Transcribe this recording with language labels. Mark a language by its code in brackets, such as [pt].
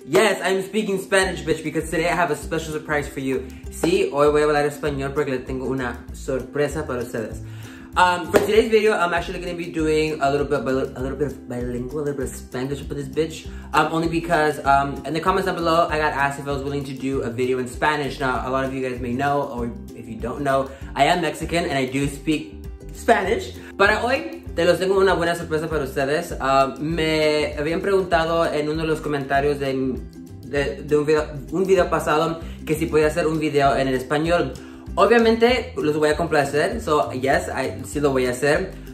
[en] Yes, I'm speaking Spanish, bitch, because today I have a special surprise for you. [es] Sí, hoy voy a hablar español porque les tengo una sorpresa para ustedes. [en] For today's video, I'm actually going to be doing a little bit of Spanglish for this bitch. Only because in the comments down below, I got asked if I was willing to do a video in Spanish. Now, a lot of you guys may know, or if you don't know, I am Mexican and I do speak Spanish. [es] Para hoy, te los tengo una buena sorpresa para ustedes. Me habían preguntado en uno de los comentarios de un video pasado que si podía hacer un video en el español. Obviamente, los voy a complacer, [en] so yes, [es] sí lo voy a hacer.